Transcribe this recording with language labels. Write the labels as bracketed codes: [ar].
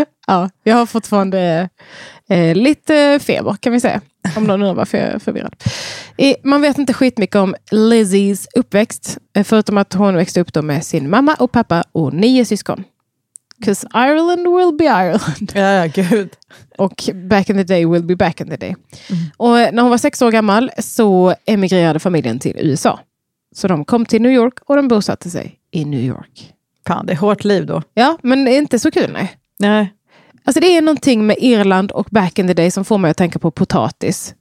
[sv] Ja, jag har fortfarande lite feber kan vi säga. Om någon undrar varför jag är förvirrad. Man vet inte skitmycket om Lizzies uppväxt. Förutom att hon växte upp då med sin mamma och pappa och 9 syskon. [en] Because Ireland will be Ireland. [sv] Ja, gud. [en] Och back in the day will be back in the day. Mm. [sv] Och när hon var 6 år gammal så emigrerade familjen till USA. Så de kom till New York och de bosatte sig i New York. Fan, det är hårt liv då. Ja, men inte så kul, nej. Nej. Alltså det är någonting med Irland och [en] back in the day [sv] som får mig att tänka på potatis.